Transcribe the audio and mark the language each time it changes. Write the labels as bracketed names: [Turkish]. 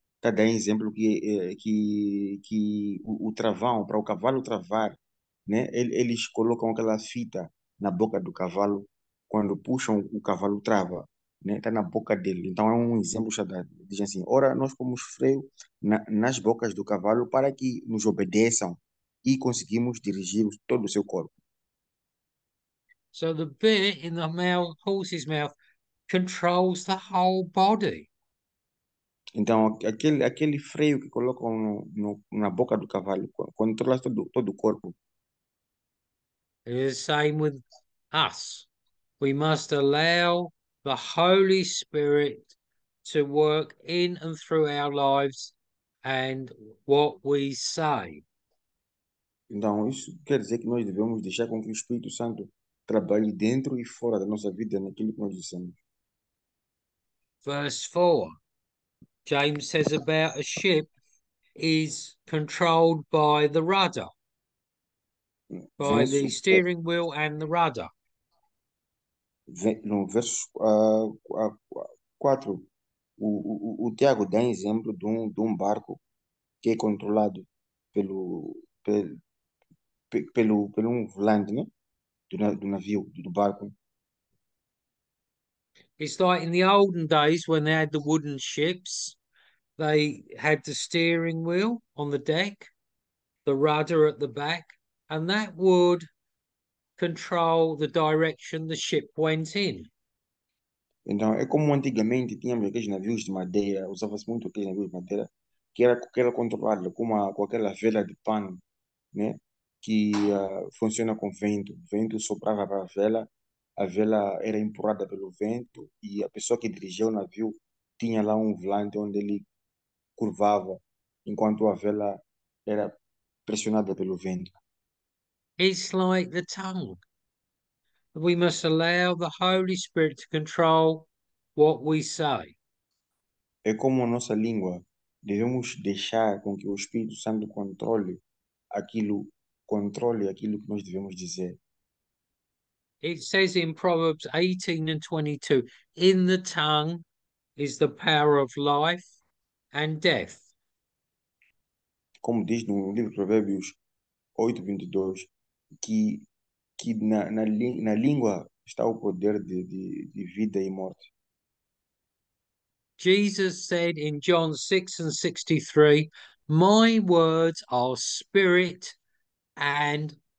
[Portuguese] Tá, dá um exemplo que o travão, para o cavalo travar, né, eles colocam aquela fita na boca do cavalo. Quando puxam, o cavalo trava, né? Está na boca dele. Então é um exemplo. Diz assim: ora, nós pomos freio nas bocas do cavalo para que nos obedeçam e conseguimos dirigir todo o seu corpo. [English] So the bit in the horse's mouth controls the whole body. [Portuguese] Então, aquele freio que colocam na boca do cavalo controla todo o corpo. [English] It's the same with us. We must allow the Holy Spirit to work in and through our lives and what we say. [Portuguese] Então, isso quer dizer que nós devemos deixar com que o Espírito Santo trabalhe dentro e fora da nossa vida, naquilo que nós dizemos. [English] Verse 4, James says about a ship is controlled by the rudder, by the [Portuguese] Verso, [English] steering wheel and the rudder. [Portuguese] no verso 4, o Tiago dá exemplo de um barco que é controlado pelo um volante, né? Do navio, do barco. [English] It's like in the olden days when they had the wooden ships, they had the steering wheel on the deck, the rudder at the back, and that would control the direction the ship went in. [Portuguese] Então, é como antigamente tínhamos aqueles navios de madeira, usava-se muito aqueles navios de madeira, que era controlado com aquela vela de pano, né? Que funciona com vento. Vento soprava para a vela era empurrada pelo vento, e a pessoa que dirigia o navio tinha lá um volante onde ele curvava enquanto a vela era pressionada pelo vento. [English] It's like the tongue. We must allow the Holy Spirit to control what we say. [Portuguese] É como a nossa língua. Devemos deixar com que o Espírito Santo controle aquilo que nós devemos dizer. [English] It says in Proverbs 18 and 22, in the tongue is the power of life and death. [Portuguese] Como diz no livro de Provérbios 8:22, que na língua está o poder de vida e morte. [English] Jesus said in John 6 and 63, my words are spirit and